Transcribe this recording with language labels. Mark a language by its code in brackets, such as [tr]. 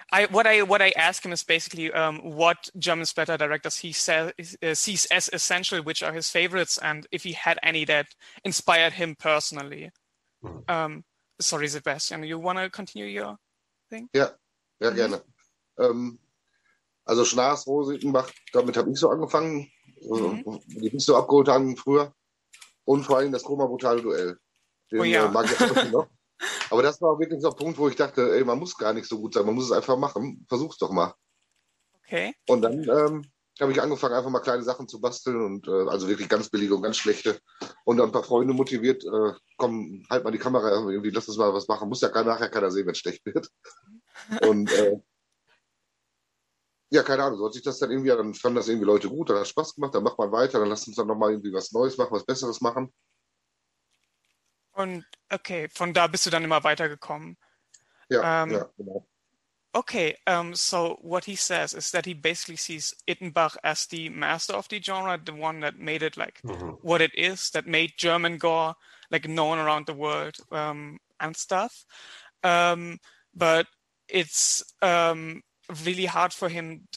[en] What I ask him is basically what German splatter directors he says sees as essential, which are his favorites, and if he had any that inspired him personally. Sorry, Sebastian, you want to continue your thing? [de] Ja, gerne. Also Schnars, Rosenbach, damit habe ich so angefangen, die bin ich so abgeholt haben früher. Und vor allem das Chroma-Brutale Duell. Oh Den ja. mag ich auch heute noch. Aber das war wirklich so ein Punkt, wo ich dachte, ey, man muss gar nicht so gut sein, man muss es einfach machen. Versuch's doch mal. Okay. Und dann habe ich angefangen, einfach mal kleine Sachen zu basteln und also wirklich ganz billige und ganz schlechte. Und dann ein paar Freunde motiviert, komm, halt mal die Kamera irgendwie, lass uns mal was machen. Muss ja gar nachher keiner sehen, wenn es schlecht wird. Und ja, keine Ahnung, so hat sich das dann irgendwie, dann fanden das irgendwie Leute gut, dann hat Spaß gemacht, dann macht man weiter, dann lasst uns dann nochmal irgendwie was Neues machen, was Besseres machen. Und okay, von da bist du dann immer weitergekommen. Ja, genau. [en] Okay, so what he says is that he basically sees Ittenbach as the master of the genre, the one that made it like what it is, that made German gore like known around the world, and stuff. But it's really hard for him.